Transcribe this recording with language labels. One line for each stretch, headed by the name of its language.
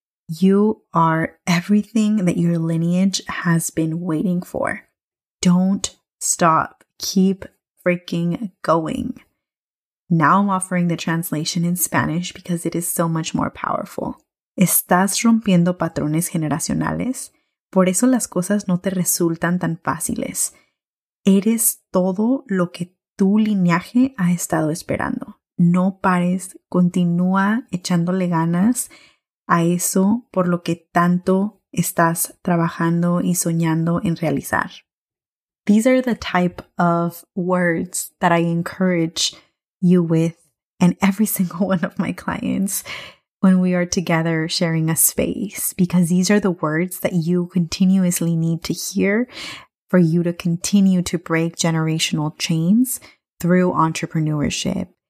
English: You are everything that your lineage has been waiting for. Don't stop. Keep freaking going. Now I'm offering the translation in Spanish because it is so much more powerful.
Spanish: Estás rompiendo patrones generacionales. Por eso las cosas no te resultan tan fáciles. Eres todo lo que tu linaje ha estado esperando. No pares, continúa echándole ganas a eso por lo que tanto estás trabajando y soñando en realizar.
English: These are the type of words that I encourage you with and every single one of my clients when we are together sharing a space, because these are the words that you continuously need to hear for you to continue to break generational chains through entrepreneurship.